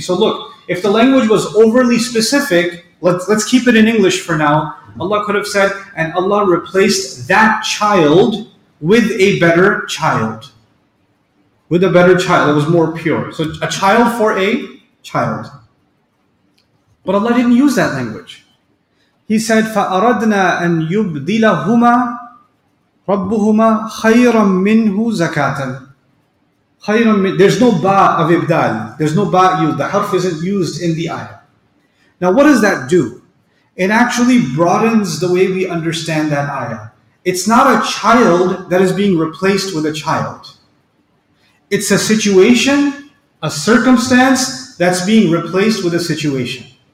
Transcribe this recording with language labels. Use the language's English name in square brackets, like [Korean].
[English] So look, if the language was overly specific, let's keep it in English for now. Allah could have said, and Allah replaced that child with a better child. With a better child, it was more pure. So a child for a child. But Allah didn't use that language. He said, [Arabic] فَأَرَدْنَا أَن يُبْدِلَهُمَا رَبُّهُمَا خَيْرًا مِّنْهُ زَكَاتًا. خَيْرًا مِّنْهُ. [English] There's no ba of ibdal. There's no ba used. The harf isn't used in the ayah. Now what does that do? It actually broadens the way we understand that ayah. It's not a child that is being replaced with a child. It's a situation, a circumstance that's being replaced with a situation.